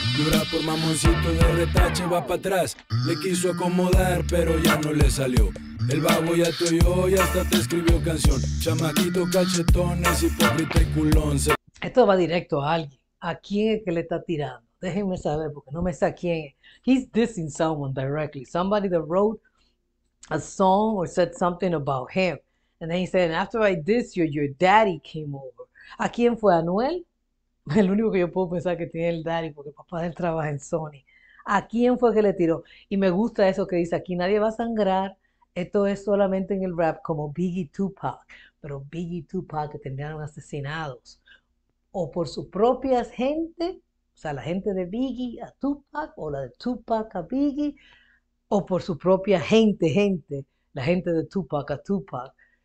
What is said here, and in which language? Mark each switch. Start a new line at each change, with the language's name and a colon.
Spanish: Llora por mamoncito de retache, va para atrás. Le quiso acomodar, pero ya no le salió. El babo ya te oyó y hasta te escribió canción. Chamaquito cachetones, hipócrita y culón. Esto va directo a alguien. ¿A quién es que le está tirando? Déjenme saber, porque no me sé a quién.
English: He's dissing someone directly. Somebody that wrote a song or said something about him. And then he said, after I diss you, your daddy came over.
Spanish: ¿A quién fue? ¿Anuel? El único que yo puedo pensar que tiene el daddy, porque el papá de él trabaja en Sony. ¿A quién fue que le tiró? Y me gusta eso que dice, aquí nadie va a sangrar. Esto es solamente en el rap, como Biggie Tupac. Pero Biggie y Tupac que terminaron asesinados. O por su propia gente, o sea, la gente de Biggie a Tupac, o la de Tupac a Biggie, o por su propia gente, la gente de Tupac a Tupac.